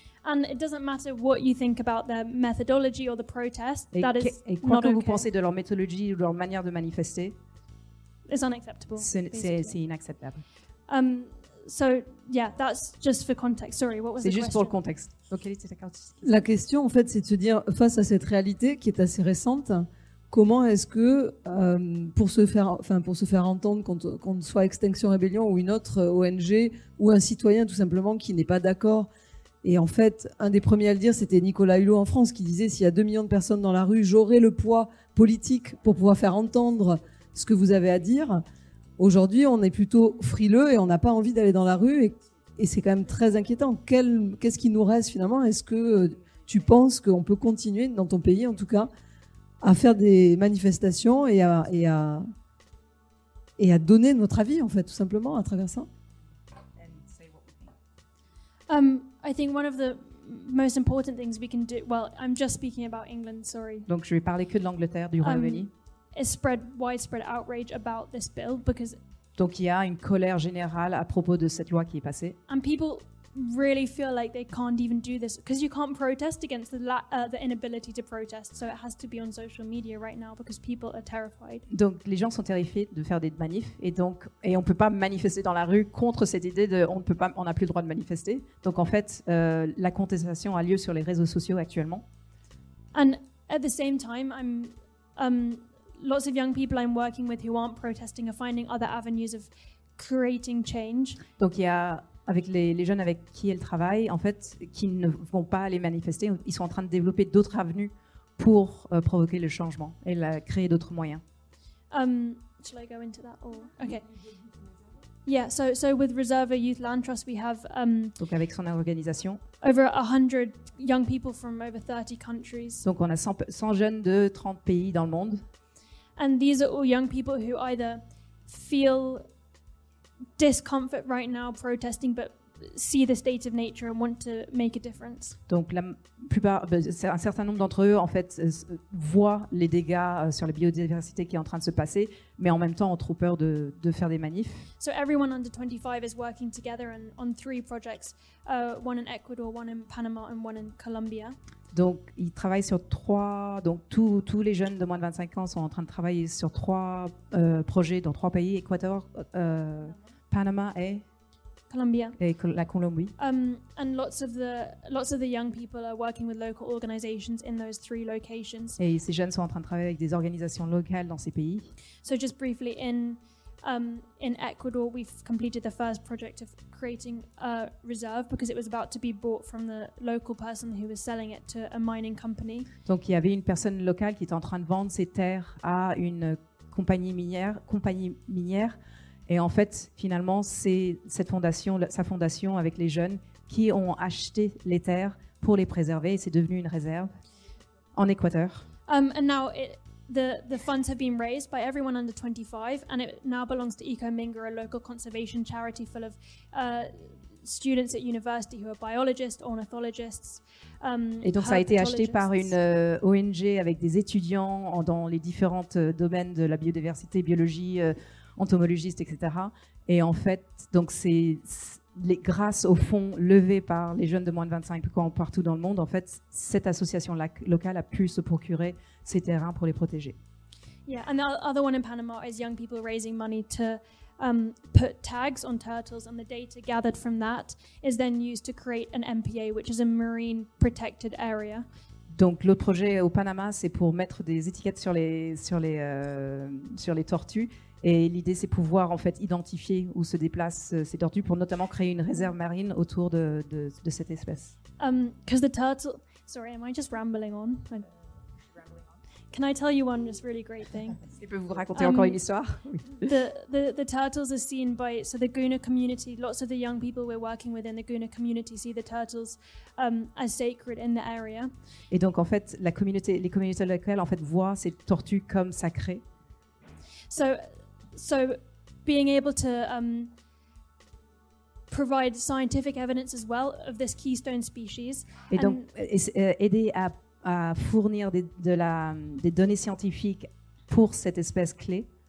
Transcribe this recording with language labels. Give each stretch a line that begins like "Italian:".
English: And it doesn't matter what you think about their methodology or the protest.
French: Et
English: that is
French: et quoi
English: not
French: que
English: okay.
French: vous pensez de leur méthodologie ou de leur manière de manifester.
English: It's unacceptable.
French: C'est inacceptable.
English: So yeah, that's just for context. Sorry, what was
French: c'est
English: the question?
French: C'est juste pour le contexte.
English: Okay.
French: La question, en fait, c'est de se dire, face à cette réalité qui est assez récente, comment est-ce que, pour se faire entendre, qu'on soit Extinction Rebellion ou une autre ONG, ou un citoyen tout simplement qui n'est pas d'accord, et en fait, un des premiers à le dire, c'était Nicolas Hulot en France, qui disait, s'il y a 2 millions de personnes dans la rue, j'aurai le poids politique pour pouvoir faire entendre ce que vous avez à dire. Aujourd'hui, on est plutôt frileux et on n'a pas envie d'aller dans la rue et c'est quand même très inquiétant. Qu'est-ce qui nous reste finalement ? Est-ce que tu penses qu'on peut continuer, dans ton pays en tout cas, à faire des manifestations et à donner notre avis, en fait, tout simplement, à travers ça ?
English: I think one of the most important things we can do... Well, I'm just speaking about England, sorry.
French: Donc, je vais parler que de l'Angleterre, du Royaume-Uni.
English: Is spread widespread outrage about this bill because
French: donc il y a une colère générale à propos de cette loi qui est passée.
English: And people really feel like they can't even do this because you can't protest against the inability to protest. So it has to be on social media right now because people are terrified.
French: Donc les gens sont terrifiés de faire des manifs et on peut pas manifester dans la rue contre cette idée de on a plus le droit de manifester. Donc en fait la contestation a lieu sur les réseaux sociaux actuellement.
English: And at the same time, lots of young people I'm working with who aren't protesting are finding other avenues of creating change.
French: Donc il y a avec les jeunes avec qui elle travaille en fait qui ne vont pas aller manifester, ils sont en train de développer d'autres avenues pour provoquer le changement et créer d'autres moyens.
English: Shall I go into that or okay. Yeah, so with Reserva Youth Land Trust we have
French: donc avec son organisation
English: over 100 young people from over 30 countries.
French: Donc on a 100 jeunes de 30 pays dans le monde.
English: And these are all young people who either feel discomfort right now protesting, but see the state of nature and want to make a difference.
French: Donc la plupart, un certain nombre d'entre eux, en fait, voient les dégâts sur la biodiversité qui est en train de se passer, mais en même temps ont trop peur de faire des manifs.
English: So everyone under 25 is working together and on 3 projects, one in Ecuador, one in Panama, and one in Colombia.
French: Donc ils travaillent sur 3, donc tous les jeunes de moins de 25 ans sont en train de travailler sur 3 projets dans 3 pays, Équateur, Panama et
English: Colombia.
French: Et la Colombie.
English: And lots of the young people are working with local organizations in those 3 locations.
French: Et ces jeunes sont en train de travailler avec des organisations locales dans ces pays.
English: So just briefly in Ecuador we've completed the first project of creating a reserve because it was about to be bought from the local person who was selling it to a mining company.
French: Donc il y avait une personne locale qui était en train de vendre ses terres à une compagnie minière et en fait finalement c'est cette fondation sa fondation avec les jeunes qui ont acheté les terres pour les préserver et c'est devenu une réserve en Équateur.
English: And now the funds have been raised by everyone under 25 and it now belongs to Ecominga, a local conservation charity full of students at university who are biologists, ornithologists.
French: Et donc ça a été acheté par une ONG avec des étudiants dans les différents domaines de la biodiversité, biologie, entomologistes, etc. Et en fait, donc c'est grâce aux fonds levés par les jeunes de moins de 25 ans partout dans le monde, en fait, cette association locale a pu se procurer ces terrains pour les protéger.
English: Yeah, and the other one in Panama is young people raising money to put tags on turtles, and the data gathered from that is then used to create an MPA, which is a marine protected area.
French: Donc l'autre projet au Panama, c'est pour mettre des étiquettes sur les tortues, et l'idée c'est pouvoir en fait identifier où se déplacent ces tortues pour notamment créer une réserve marine autour de cette espèce.
English: Because the turtle, sorry, am I just rambling on? Can I tell you one just really great thing?
French: Je peux vous raconter encore une histoire.
English: The turtles are seen by so the Guna community. Lots of the young people we're working with in the Guna community see the turtles as sacred in the area.
French: Et donc en fait, la communauté, les communautés locales en fait voient ces tortues comme sacrées.
English: So being able to provide scientific evidence as well of this keystone species.
French: Et donc aider à fournir des données scientifiques pour cette espèce clé.